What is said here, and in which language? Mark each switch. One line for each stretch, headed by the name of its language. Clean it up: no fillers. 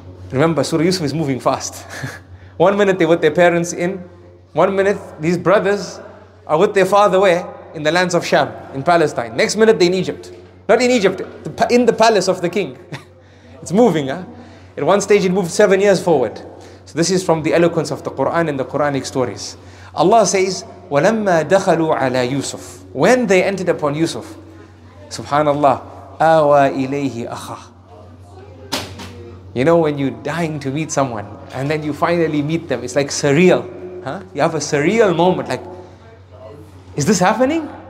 English: Remember, Surah Yusuf is moving fast. 1 minute they with their parents in, 1 minute these brothers are with their father where? In the lands of Sham, in Palestine. Next minute they're in Egypt. Not in Egypt, in the palace of the king. It's moving. At one stage it moved 7 years forward. So this is from the eloquence of the Quran and the Quranic stories. Allah says,
Arabic: وَلَمَّا دَخَلُوا عَلَىٰ يُوسُفْ.
English: When they entered upon Yusuf, subhanAllah,
Arabic: أَوَى إِلَيْهِ أَخَىٰ.
English: You know when you're dying to meet someone and then you finally meet them, it's like surreal. You have a surreal moment, like, is this happening?